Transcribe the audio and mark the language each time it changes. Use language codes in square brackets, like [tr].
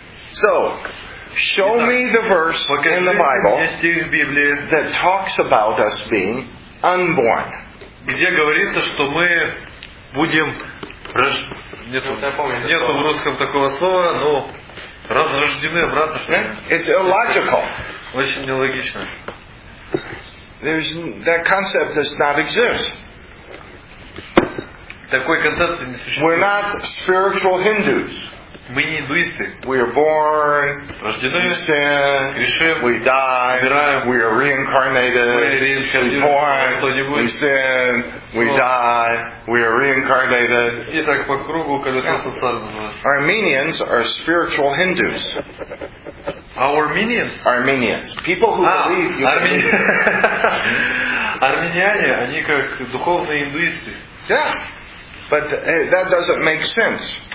[en] So, show me the verse in the Bible that talks about us being unborn. [ru] Где говорится, что мы будем рождены? Нету в русском такого слова, но разрождены обратно. [en] It's illogical. [ru] Очень нелогично. [en] That concept does not exist. [ru] Такой концепции не существует. [en] We're not spiritual Hindus. [ru] Мы не индуисты. [en] We are born, [ru] рождены, [en] we sin, [ru] грешим, [en] we die, [ru] умираем, [en] we are reincarnated, we born, we sin, we die, we are reincarnated. [ru] И так по кругу колесо сансары. [en] Armenians are spiritual Hindus. Armenians. People who believe you. [ru] Армяне, они как духовные индуисты. [en] Yeah. But that doesn't make sense.